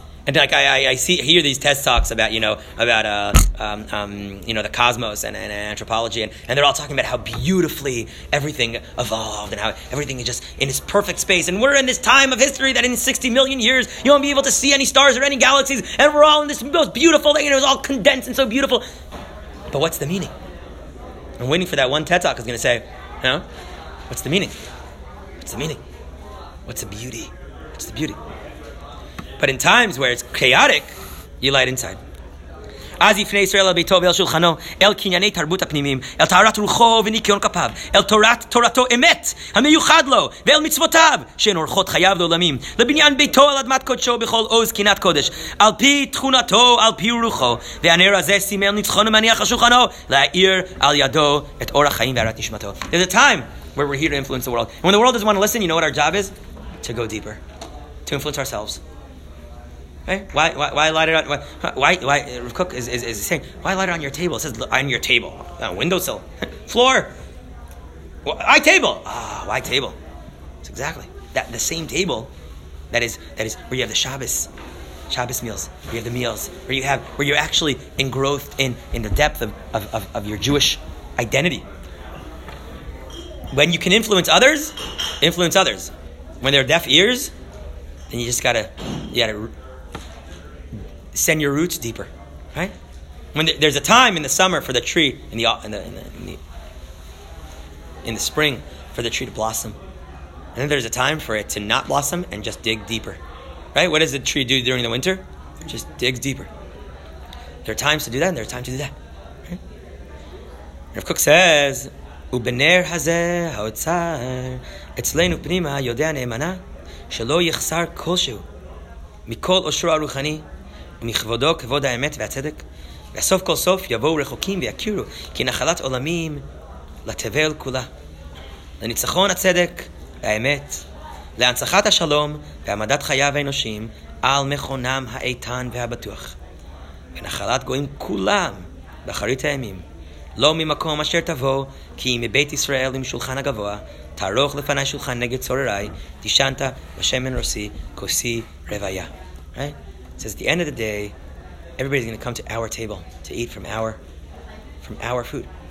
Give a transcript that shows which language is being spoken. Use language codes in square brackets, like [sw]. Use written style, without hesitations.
[en] And like I hear these TED talks about the cosmos and anthropology, and they're all talking about how beautifully everything evolved and how everything is just in this perfect space, and we're in this time of history that in 60 million years you won't be able to see any stars or any galaxies, and we're all in this most beautiful thing, and it was all condensed and so beautiful. But what's the meaning? I'm waiting for that one TED talk is going to say, huh? What's the meaning? What's the meaning? What's the beauty? What's the beauty? But in times where it's chaotic, you light inside. [he] אז יפנה ישראל לביתו ואל שולחנו, אל קנייני תרבות הפנימים, אל תארת רוחו וניקיון כפיו, אל תורת תורתו אמת, המיוחד לו, ואל מצוותיו, שהן אורחות חייו לעולמים, לבניין ביתו על אדמת קודשו בכל עוז קינת קודש, על פי תכונתו, על פי רוחו, והנר הזה סימל ניצחון המניח על שולחנו, להאיר על ידו את אור החיים והרת נשמתו. [en] There's a time where we're here to influence the world. When the world doesn't want to listen, you know what our job is? To go deeper. To influence ourselves. Right? Why light it on, Kook is saying, why light it on your table? It says on your table. On windowsill. Floor. Why table? Why table? It's exactly. That the same table that is where you have the Shabbos meals, where you have the meals, where you're actually engrossed in the depth of your Jewish identity. When you can influence others. When they're deaf ears, then you gotta send your roots deeper, right? When there's a time in the summer for the tree, in the spring for the tree to blossom, and then there's a time for it to not blossom and just dig deeper, right? What does the tree do during the winter? It just digs deeper. There are times to do that, and there are times to do that. Rav Kook says, [he] ובנר הזה האוצר אצלנו פנימה יודע נאמנה שלא יחסר כלשהו מכל אושרו הרוחני ומכבודו כבוד האמת והצדק וסוף כל סוף יבואו רחוקים ויכירו כי נחלת עולמים לתבל כולה לניצחון הצדק והאמת להנצחת השלום והעמדת חייו האנושים על מכונם האיתן והבטוח ונחלת גויים כולם באחרית הימים לא ממקום אשר תבוא, כי אם מבית ישראל עם שולחן הגבוה, תערוך לפני שולחן נגד צורריי, תשנת בשמן רוסי, כוסי רוויה. [en] Right? So at the end of the day, everybody's going to come to our table to eat from our food.